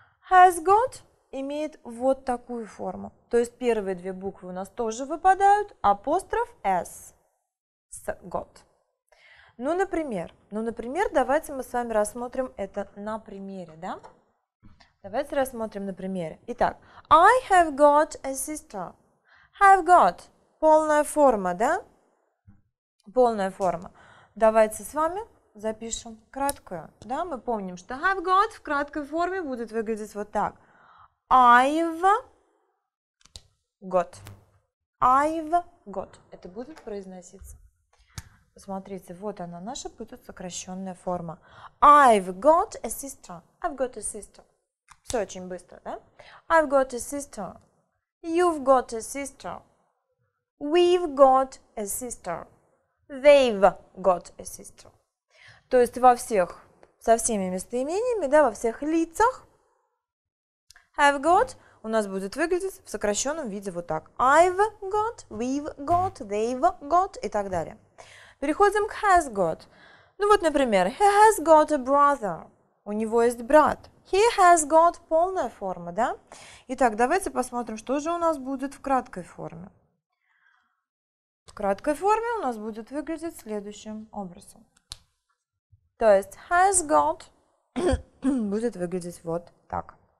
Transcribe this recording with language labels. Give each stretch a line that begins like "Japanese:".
Russian: Has got имеет вот такую форму. То есть первые две буквы у нас тоже выпадают, апостроф s, с got. Ну, например, давайте мы с вами рассмотрим это на примере, да? Давайте рассмотрим на примере. Итак,
English: I have got a sister.
Russian: Have got. Полная форма, да? Полная форма. Давайте с вами запишем краткую. Да, мы помним, что have got в краткой форме будет выглядеть вот так.
English: I've got. I've got.
Russian: Это будет произноситься. Посмотрите, вот она, наша будет сокращенная форма.
English: I've got a sister. I've got a sister.
Russian: Все очень быстро, да?
English: I've got a sister. You've got a sister. We've got a sister. They've got a sister.
Russian: То есть во всех, со всеми местоимениями, да, во всех лицах have got у нас будет выглядеть в сокращенном виде вот так.
English: I've got, we've got, they've got
Russian: и так далее. Переходим к has got. Ну вот, например,
English: he has got a brother.
Russian: У него есть брат. He has got полная форма, да? Итак, давайте посмотрим, что же у нас будет в краткой форме. В краткой форме у нас будет выглядеть следующим образом. То есть has got будет выглядеть вот так.